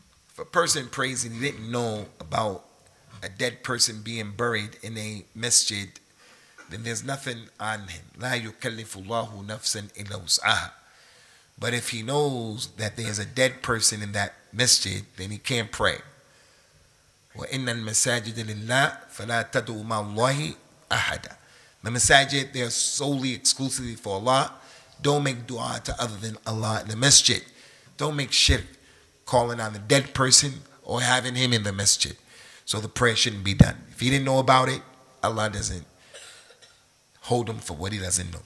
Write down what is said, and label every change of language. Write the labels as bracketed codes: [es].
[en] If a person prays and he didn't know about a dead person being buried in a masjid, then there's nothing on him. [ar] لا يكلف الله نفسا إلا وسعها. [en] But if he knows that there's a dead person in that masjid, then he can't pray. [ar] وإن المساجد لله فلا تدعوا مع الله أحدا. [en] The masjid, they're solely, exclusively for Allah. Don't make dua to other than Allah in the masjid. Don't make shirk. Calling on the dead person or having him in the masjid. So the prayer shouldn't be done. If he didn't know about it, Allah doesn't hold him for what he doesn't know.